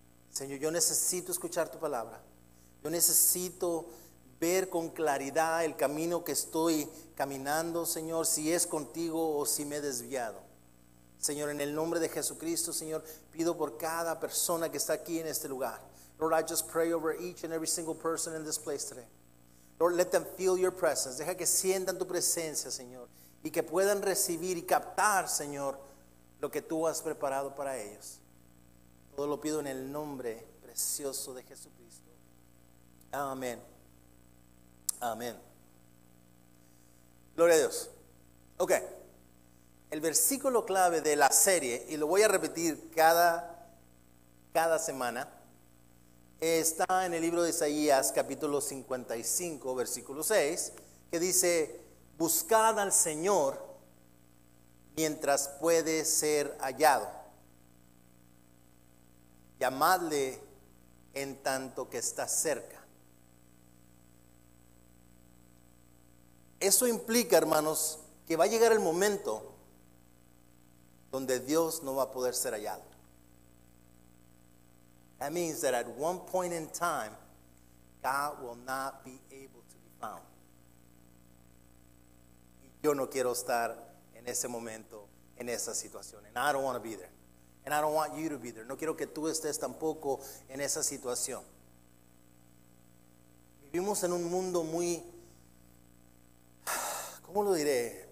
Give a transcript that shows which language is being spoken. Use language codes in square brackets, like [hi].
[es] Señor, yo necesito escuchar tu palabra. Yo necesito ver con claridad el camino que estoy caminando, Señor, si es contigo o si me he desviado. Señor, en el nombre de Jesucristo, Señor, pido por cada persona que está aquí en este lugar. [en] Lord, I just pray over each and every single person in this place today. Lord, let them feel your presence. [es] Deja que sientan tu presencia, Señor, y que puedan recibir y captar, Señor, lo que tú has preparado para ellos. Todo lo pido en el nombre precioso de Jesucristo. Amén. Amén. Gloria a Dios. Ok. El versículo clave de la serie, y lo voy a repetir cada semana, está en el libro de Isaías, capítulo 55, versículo 6, que dice: buscad al Señor mientras puede ser hallado. Llamadle en tanto que está cerca. Eso implica, hermanos, que va a llegar el momento donde Dios no va a poder ser hallado. [en] That means that at one point in time, God will not be able to be found. [es] Y yo no quiero estar en ese momento, en esa situación. [en] And I don't want to be there. And I don't want you to be there. [es] No quiero que tú estés tampoco en esa situación. Vivimos en un mundo muy, ¿cómo lo diré?